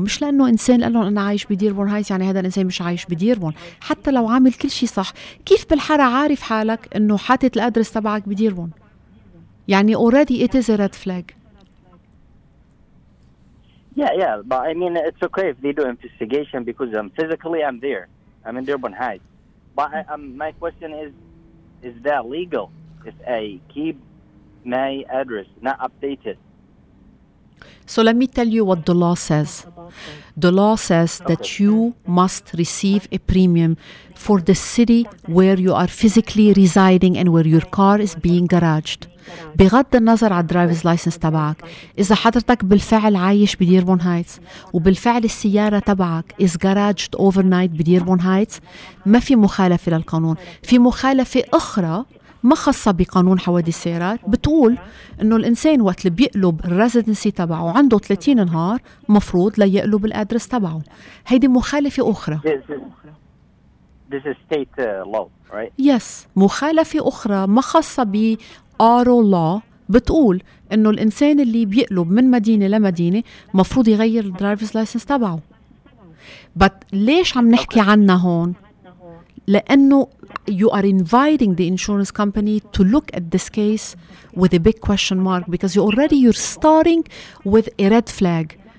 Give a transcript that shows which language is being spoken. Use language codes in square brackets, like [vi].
[ar] مش لانه انسان قال لهم انا عايش بديربون هايتس يعني هذا الانسان مش عايش بديربون. حتى لو عامل كل شيء صح, كيف بالحارة عارف حالك انه حاطط الادرس تبعك بديربون؟ يعني [en] Already it is red flag. Yeah, yeah, but I mean, it's okay if they do investigation because physically I'm there. I'm in Durban Heights. But my question is that legal if I keep my address not updated? So let me tell you what the law says. The law says that you must receive a premium for the city where you are physically residing and where your car is being garaged. [ar] بغض النظر على الدرايفز لايسنس تبعك إذا حضرتك بالفعل عايش بديربون هايتس وبالفعل السيارة تبعك [en] is garaged overnight [ar] بديربون هايتس ما في مخالفة للقانون. في مخالفة أخرى ما خاصة بقانون حوادث السيارات بتقول إنه الإنسان وقت اللي بيقلب الريزيدنسي تبعه عنده 30 نهار مفروض ليقلب الأدرس تبعه. هيدي مخالفة أخرى. [en] This is state law, right? Yes. [ar] مخالفة أخرى ما خاصة بأرو law بتقول إنه الإنسان اللي بيقلب من مدينة لمدينة مفروض يغير الدرايفز لايسنس تبعه. [en] But [ar] ليش عم نحكي عنا هون؟ لأنه [en] you are inviting the insurance company to look at this case with a big question mark because you're starting with a red flag.